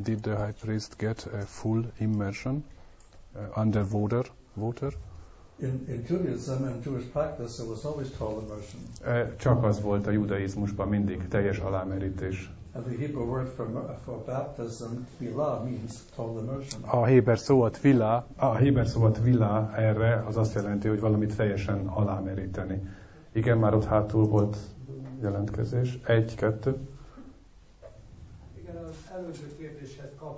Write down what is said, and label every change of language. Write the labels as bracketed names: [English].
[English] Did the high priest get a full immersion? Did the high priest get a full immersion under water? In Judaism and Jewish practice, there was always total immersion. [Hungarian] Csak az volt a judaizmusban mindig teljes alámerítés. [English] And the Hebrew word for baptism, tvila, means total immersion. [Hungarian] A Héber szó a tvila erre az azt jelenti, hogy valamit teljesen alámeríteni. Igen, már ott hátul volt jelentkezés. 1, 2. Igen, az előző kérdéshez kap,